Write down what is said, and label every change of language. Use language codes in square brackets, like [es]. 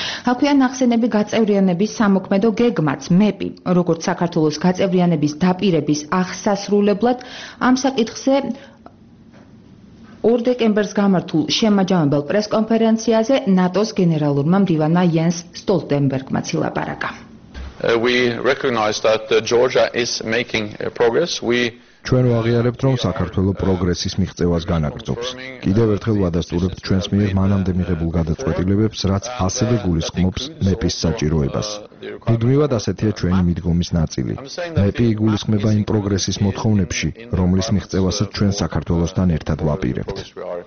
[ka] აქვეა ნახსენები გაწევრიანების სამოქმედო გეგმაც, მეპი, როგორც საქართველოს გაწევრიანების დაპირების აღსასრულებლად. ამ საკითხზე 2 დეკემბერს გამართულ შემაჯამებელ პრესკონფერენციაზე ნატოს გენერალურმა მდივანმა იენს სტოლტენბერგმა ცილაპარაკა. [en] We recognize that Georgia is making progress. [ka] ჩვენ ვაღიარებთ, რომ საქართველო პროგრესის მიღწევას განაგრძობს. კიდევ ერთხელ ვადასტურებთ ჩვენს მიერ მანამდე მიღებულ გადაწყვეტილებებს, რაც ასევე გულისხმობს მეპის საჭიროებას. ბუდმივად ასეთია ჩვენი მიდგომის ნაწილი. მეპი იგულისხმება იმ პროგრესის მოთხოვნებში, რომლის მიღწევასაც ჩვენ საქართველოსთან ერთად ვაპირებთ.